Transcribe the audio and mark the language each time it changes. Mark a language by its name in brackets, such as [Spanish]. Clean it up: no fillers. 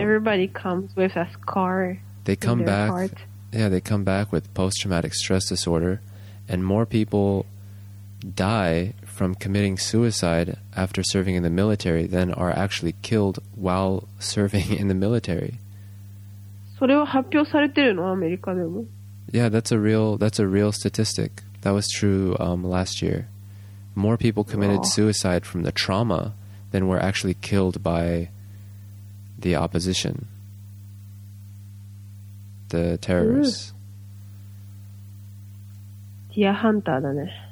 [English] Everybody comes with a scar. They come back. Heart. Yeah, they come back with post-traumatic stress disorder, and more people die from committing suicide after serving in the military than are actually killed while serving in the military. [Japanese] それは発表されてるの？アメリカでも。 [English] Yeah, that's a real statistic. That was true last year. More people committed suicide from the trauma than were actually killed by the opposition. The terrorists. [Japanese] Dear Hunter, だね。